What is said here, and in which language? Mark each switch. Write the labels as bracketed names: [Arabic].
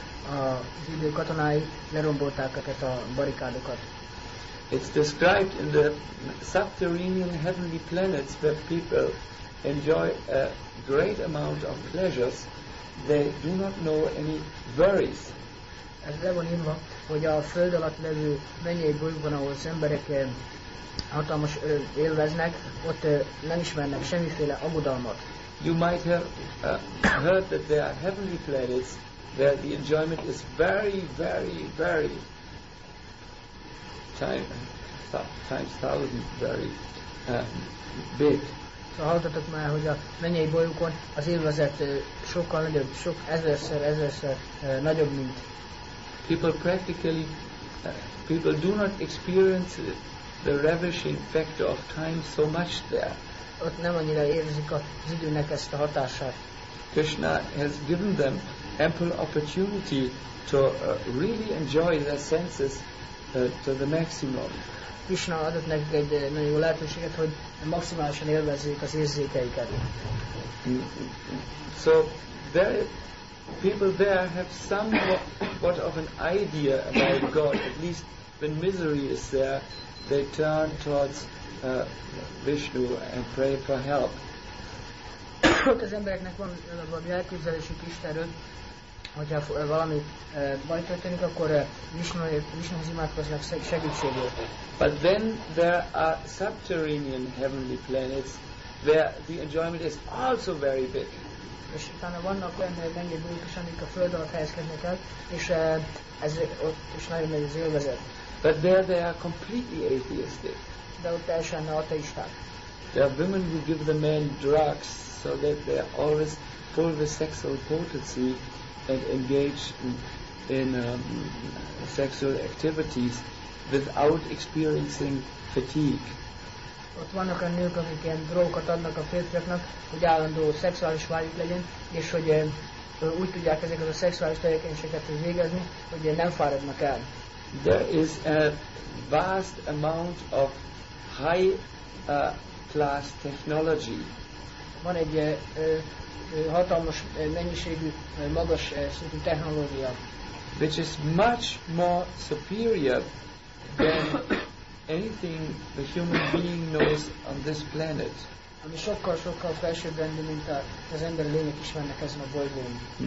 [Hungarian] Az idő katonái lerombolták ezeket a barikádokat. [English] It's described in the subterranean heavenly planets where people enjoy a great amount of pleasures. They do not know any worries. [Hungarian] Ez le van írva, hogy a föld alatt levő mennyei bolygóban, ahol az emberek hatalmas élveznek, ott nem ismernek semmiféle aggodalmat. [English] You might have heard that there are heavenly planets where the enjoyment is very, very, very times thousand very big. [Hungarian] Szóval hallottatok már, hogy a mennyei bolygókon az élvezet sokkal nagyobb, sok ezerszer nagyobb, mint. [English] People practically, people do not experience the ravishing factor of time so much there. [Hungarian] Ott nem annyira érzik az időnek ezt a hatását. [English] Krishna has given them ample opportunity to really enjoy their senses to the maximum. [Hungarian] Krishna adott nekik egy nagyon jó lehetőséget, hogy maximálisan élvezzék az érzékeiket. [English] So there, people there have somewhat of an idea about God. At least when misery is there, they turn towards Vishnu and pray for help. [Hungarian] Ott az embereknek van valami elképzelésük Istenről, hogyha valami baj történik, akkor Vishnuhoz imádkoznak segítségért. [English] But then there are subterranean heavenly planets where the enjoyment is also very big. [Hungarian] És utána vannak olyan mennyi bolygók is, amik a föld alatt helyezkednek el, és ez ott is nagyon nagy az élvezet. [English] But there they are completely atheistic. [Hungarian] De ott teljesen ateisták. [English] There are women who give the men drugs so that they are always full of sexual potency and engage in sexual activities without experiencing fatigue. [Hungarian] Ott vannak a nők, akik ilyen drogokat adnak a férfiaknak, hogy állandó szexuális vágyuk legyen, és hogy úgy tudják ezeket a szexuális tevékenységet végezni, hogy nem fáradnak el. [English] There is a vast amount of high class technology. [Hungarian] Van egy hatalmas mennyiségű, magas szintű technológia. [English] which is much more superior than anything the human being knows on this planet. [Hungarian] Ami sokkal-sokkal felsőbb rendű, mint az ember lények is vannak ezen a bolygón.